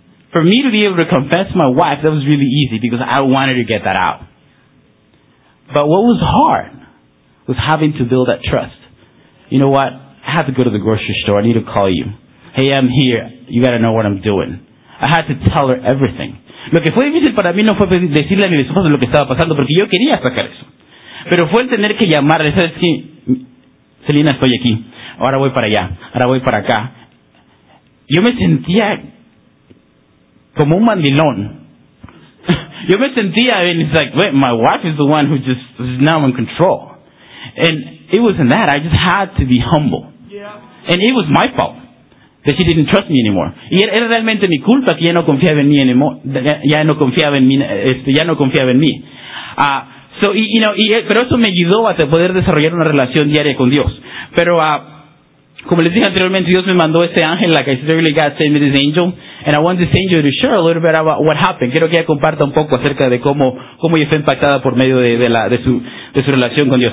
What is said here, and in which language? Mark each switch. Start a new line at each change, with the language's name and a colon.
English: For me to be able to confess my wife, that was really easy because I wanted to get that out. But what was hard was having to build that trust. You know what? I had to go to the grocery store. I need to call you. Hey, I'm here. You got to know what I'm doing. I had to tell her everything.
Spanish: Lo que fue difícil para mí no fue decirle a mi esposa lo que estaba pasando porque yo quería sacar eso. Pero fue el tener que llamarle, ¿sabes qué? Selena, estoy aquí. Ahora voy para allá. Ahora voy para acá. Yo me sentía como un mandilón. Yo me sentía,
English: and it's like, wait, my wife is the one who just is now in control. And it wasn't that. I just had to be humble. Yeah. And it was my fault that she didn't trust me anymore.
Spanish: Y era realmente mi culpa que ya no confiaba en mí.
English: So, you know,
Spanish: pero eso me ayudó a poder desarrollar una relación diaria con Dios. Pero, como les dije anteriormente, Dios me mandó este ángel,
English: like I said, really God sent me this angel. And I want this angel to share a little bit about what happened.
Spanish: Quiero que ella comparta un poco acerca de cómo ella fue impactada por medio de su relación con Dios.